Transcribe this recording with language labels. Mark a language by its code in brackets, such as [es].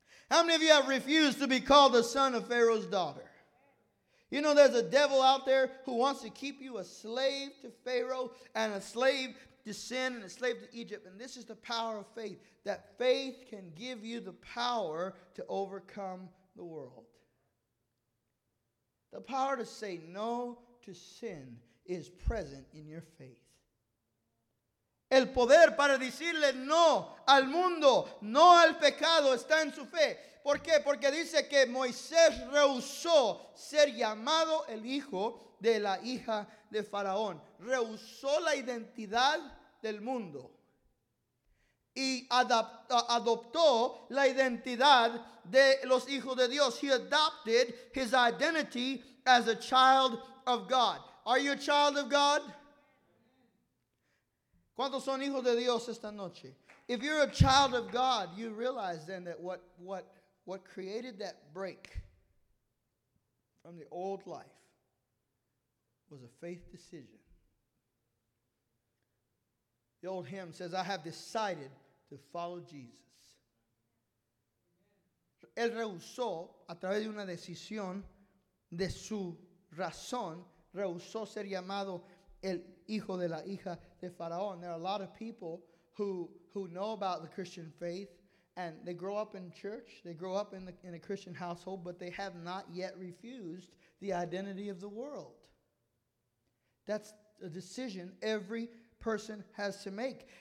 [en] How many of you have refused to be called the son of Pharaoh's daughter? You know, there's a devil out there who wants to keep you a slave to Pharaoh and a slave to sin and a slave to Egypt. And this is the power of faith, that faith can give you the power to overcome the world. The power to say no to sin is present in your faith. [es] El poder para decirle no al mundo, no al pecado, está en su fe. ¿Por qué? Porque dice que Moisés rehusó ser llamado el hijo de la hija de Faraón. Rehusó la identidad del mundo y adoptó la identidad de los hijos de Dios. [en] He adopted his identity as a child of God. Are you a child of God? [es] ¿Cuántos son hijos de Dios esta noche? [en] If you're a child of God, you realize then that what created that break from the old life was a faith decision. The old hymn says, I have decided to follow Jesus. [es] Él rehusó, a través de una decisión de su razón, rehusó ser llamado el hijo de la hija de Faraón. [en] There are a lot of people who know about the Christian faith, and they grow up in church, they grow up in a Christian household, but they have not yet refused the identity of the world. That's a decision every person has to make.